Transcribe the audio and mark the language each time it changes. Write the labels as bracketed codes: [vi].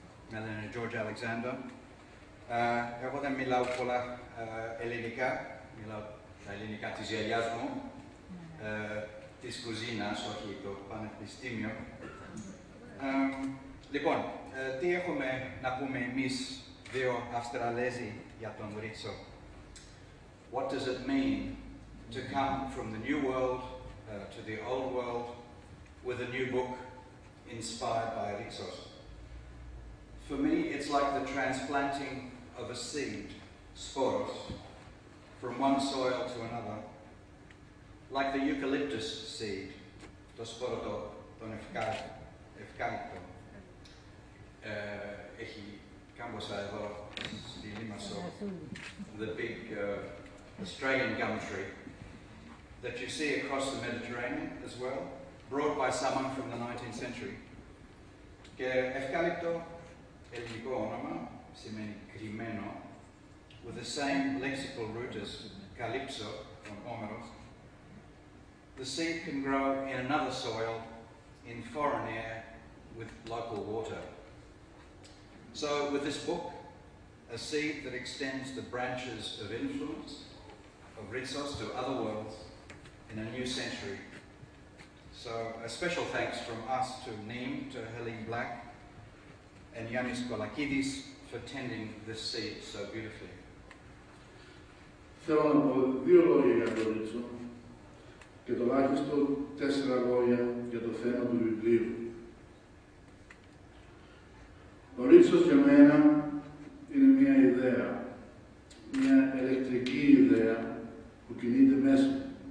[el] Με λένε George Alexander. Εγώ δεν μιλάω πολλά ελληνικά. Μιλάω τα ελληνικά της γιαγιάς μου, της κουζίνας, όχι το πανεπιστήμιο. Λοιπόν, τι έχουμε να πούμε εμείς δύο Αυστραλέζοι για τον Ρίτσο. [en] What does it mean to come from the new world to the old world with a new book inspired by Ritsos? For me, it's like the transplanting of a seed, sporos, from one soil to another. Like the eucalyptus seed, [el] το σπόρο τον ευκάλυπτο. Έχει κάμποσα εδώ στη Λίμασο, [en] the big Australian gum tree that you see across the Mediterranean as well, brought by someone from the 19th century. [el] Και ευκάλυπτο, ελληνικό όνομα, σημαίνει κρυμμένο, [en] with the same lexical root as calypso from Homeros. The seed can grow in another soil, in foreign air, with local water. So with this book, a seed that extends the branches of influence of Ritsos to other worlds in a new century. So a special thanks from us to NeMe, to Helene Black, and Yiannis Kolakidis for tending this seed so beautifully. [el] Θέλω να πω δύο λόγια για τον Ρίτσο και τουλάχιστον 4 λόγια για το θέμα του βιβλίου. Ο Ρίτσος για μένα είναι μια ιδέα, μια ηλεκτρική ιδέα που κινείται μέσα μου.